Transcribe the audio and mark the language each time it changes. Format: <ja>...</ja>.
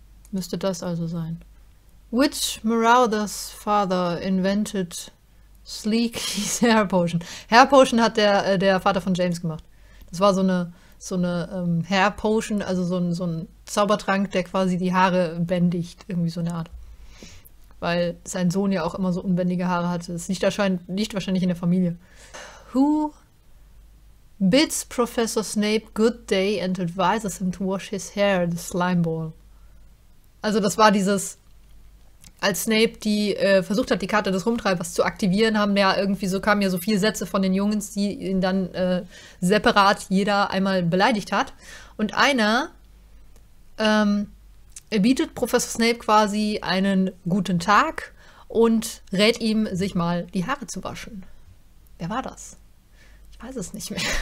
<de>Müsste das also sein.</de> <en>Which Marauder's father invented Sleekys Hair Potion?</en> <de>Hair Potion hat der Vater von James gemacht. Das war so eine Hair Potion, also so ein Zaubertrank, der quasi die Haare bändigt. Irgendwie so eine Art. Weil sein Sohn ja auch immer so unbändige Haare hatte. Das liegt wahrscheinlich in der Familie.</de> <en>Who bids Professor Snape good day and advises him to wash his hair, the slime ball?</en> <de>Also das war dieses, als Snape versucht hat, die Karte des Rumtreibers zu aktivieren, haben ja irgendwie so kamen ja so vier Sätze von den Jungs, die ihn dann separat jeder einmal beleidigt hat. Und einer, er bietet Professor Snape quasi einen guten Tag und rät ihm, sich mal die Haare zu waschen. Wer war das? Ich weiß es nicht mehr.</de>